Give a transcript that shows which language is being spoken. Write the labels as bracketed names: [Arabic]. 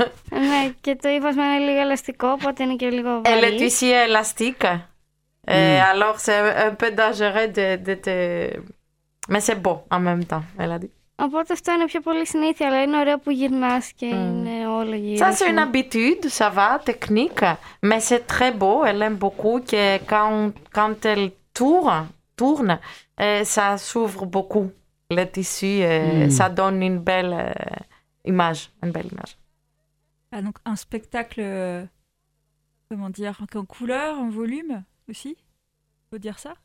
[Greek] Ναι, και το ύφασμα είναι λίγο ελαστικό, οπότε είναι και λίγο βαρύ. [French] Elle est ici élastique. Alors c'est un peu dangereux de mais c'est beau en même temps, elle a dit. [Greek] Οπότε αυτό είναι πιο πολύ συνήθεια, αλλά είναι ωραίο που γυρνάς και είναι όλο γύρω. [French] Ça c'est une habitude, ça va, technique, mais c'est très beau, elle aime beaucoup, [Greek] και [French] quand elle tourne, ça s'ouvre beaucoup le tissu, ça donne une belle image, une belle image. Ah, donc un spectacle, comment dire, en couleur, en volume aussi, on peut dire ça?